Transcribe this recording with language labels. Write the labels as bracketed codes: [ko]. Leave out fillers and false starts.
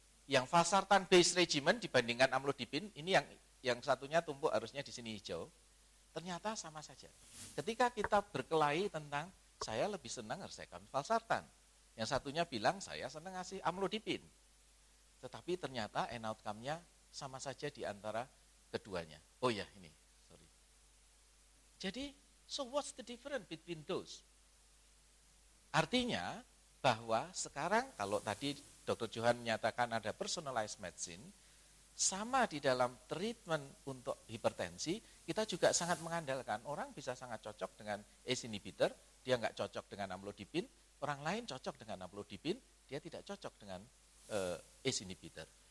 [id] Yang valsartan based regimen dibandingkan amlodipin, ini yang satunya tumpuk harusnya di sini hijau. Ternyata sama saja. Ketika kita berkelahi tentang saya lebih senang resepkan valsartan. Yang satunya bilang saya senang ngasih amlodipin. Tetapi ternyata end outcome-nya sama saja di antara keduanya. Oh ya, ini. Sorry. Jadi, [en] so what's the difference between those? [id] Artinya bahwa sekarang kalau tadi Dr. Johan menyatakan ada personalized medicine, sama di dalam treatment untuk hipertensi, kita juga sangat mengandalkan orang bisa sangat cocok dengan ACE inhibitor, dia enggak cocok dengan amlodipin, orang lain cocok dengan amlodipin, dia tidak cocok dengan ACE inhibitor.